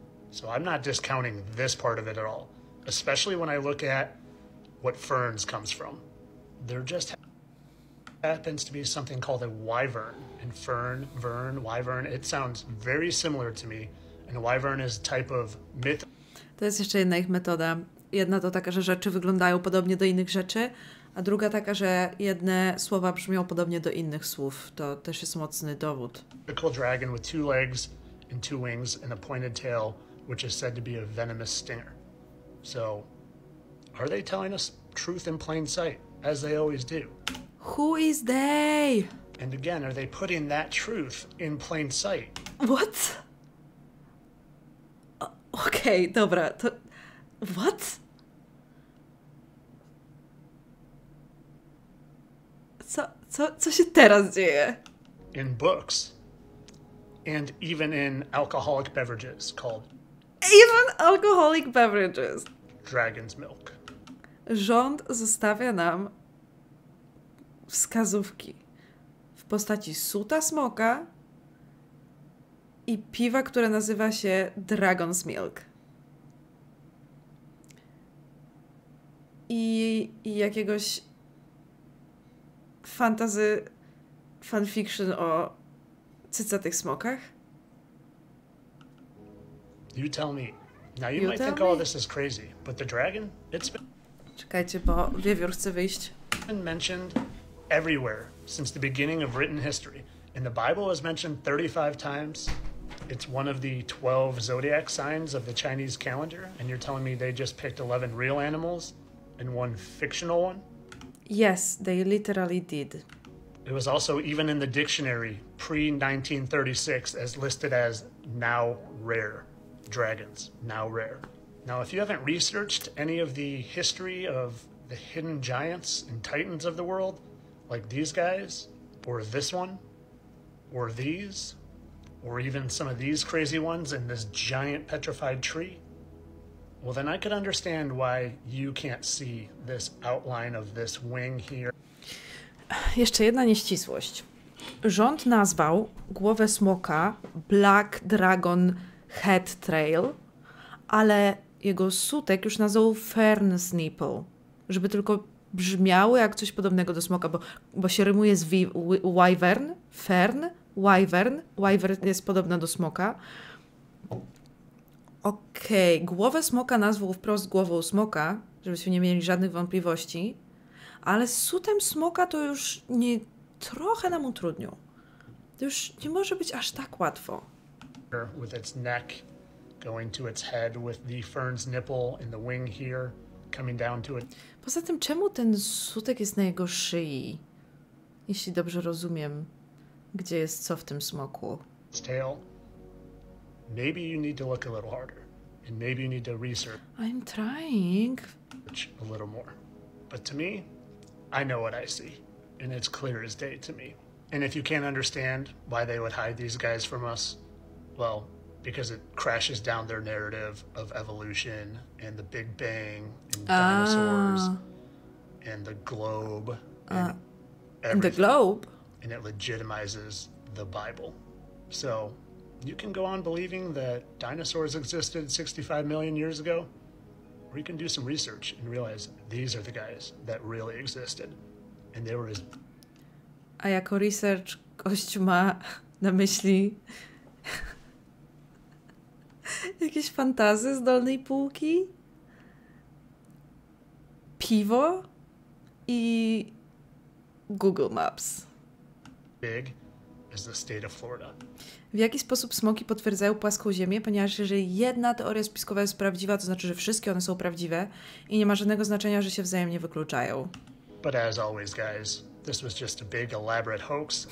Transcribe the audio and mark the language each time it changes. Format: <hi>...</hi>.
<en>So I'm not discounting this part of it at all. Especially when I look at what ferns comes from. There just happens to be something called a wyvern. And fern, vern, wyvern, it sounds very similar to me. And a wyvern is a type of myth.</en> <pl>To jest jeszcze jedna ich metoda. Jedna to taka, że rzeczy wyglądają podobnie do innych rzeczy. A druga taka, że jedne słowa brzmią podobnie do innych słów. To też jest mocny dowód.</pl> <en>Typical dragon with two legs and two wings and a pointed tail, which is said to be a venomous stinger. So, are they telling us truth in plain sight, as they always do? Who is they? And again, are they putting that truth in plain sight? What?</en> <pl>Okay, dobra. To...</pl> <en>What?</en> <pl>Co się teraz dzieje?</pl> <en>In books. And even in alcoholic beverages called... Even alcoholic beverages. Dragon's milk.</en> <pl>Rząd zostawia nam wskazówki w postaci suta smoka i piwa, które nazywa się Dragon's Milk. I jakiegoś fantasy fanfiction o cycatych smokach?</pl> <en>You tell me. Now you might think all this is crazy, but the dragon, it's been...</en> <pl>Czekajcie, bo wiewiór chce wyjść.</pl> <en>It's been mentioned everywhere since the beginning of written history. And the Bible is mentioned 35 times. It's one of the 12 zodiac signs of the Chinese calendar. And you're telling me they just picked 11 real animals and one fictional one? Yes, they literally did. It was also even in the dictionary pre-1936 as listed as now rare. Dragons, now rare. Now, if you haven't researched any of the history of the hidden giants and titans of the world, like these guys, or this one, or these, or even some of these crazy ones in this giant petrified tree, well, then I could understand why you can't see this outline of this wing here.</en> <pl>Jeszcze jedna nieścisłość. Rząd nazwał głowę smoka Black Dragon Head Trail, ale jego sutek już nazwał Fern's Nipple, żeby tylko brzmiało jak coś podobnego do smoka, bo się rymuje z wyvern, fern, wyvern, wyvern jest podobna do smoka. Okej, okay. Głowę smoka nazwał wprost głową smoka, żebyśmy nie mieli żadnych wątpliwości, ale z sutem smoka to już nie trochę nam utrudnił. To już nie może być aż tak łatwo.</pl> <en>With its neck going to its head with the fern's nipple and the wing here coming down to it.</en> <pl>Poza tym, czemu ten sutek jest na jego szyi? Jeśli dobrze rozumiem, gdzie jest co w tym smoku?</pl> <en>Its tail. Maybe you need to look a little harder. And maybe you need to research. I'm trying. A little more. But to me, I know what I see. And it's clear as day to me. And if you can't understand why they would hide these guys from us, well, because it crashes down their narrative of evolution and the Big Bang and dinosaurs. and the globe. And the globe? And it legitimizes the Bible. So you can go on believing that dinosaurs existed 65 million years ago, or you can do some research and realize these are the guys that really existed. And they were as...</en> <pl>A jako research gość ma na myśli jakieś fantazy z dolnej półki? Piwo i Google Maps.</pl> <en>Big is the state of Florida.</en> <pl>W jaki sposób smoki potwierdzają płaską ziemię? Ponieważ jeżeli jedna teoria spiskowa jest prawdziwa, to znaczy, że wszystkie one są prawdziwe i nie ma żadnego znaczenia, że się wzajemnie wykluczają.</pl> <en>But as always, guys, this was just a big elaborate hoax.</en>